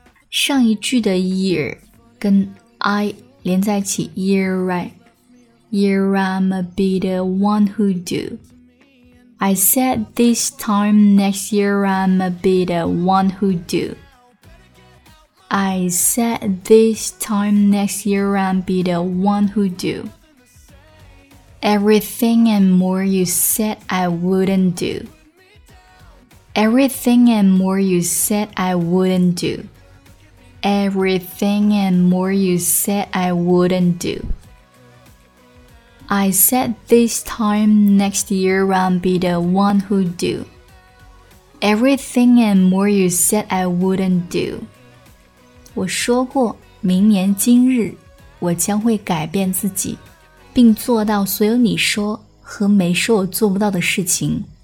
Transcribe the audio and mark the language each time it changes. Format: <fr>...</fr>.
<zh>上一句的 year 跟 I 连在一起</zh> <en>year right. Year I'ma be the one who do. I said this time next year I'ma be the one who do. I said this time next year I'ma be the one who do. Everything and more you said I wouldn't do. Everything and more you said I wouldn't do. Everything and more you said I wouldn't do. I said this time next year I'll be the one who do. Everything and more you said I wouldn't do.</en> <zh>我说过明年今日我将会改变自己并做到所有你说和没说我做不到的事情。</zh>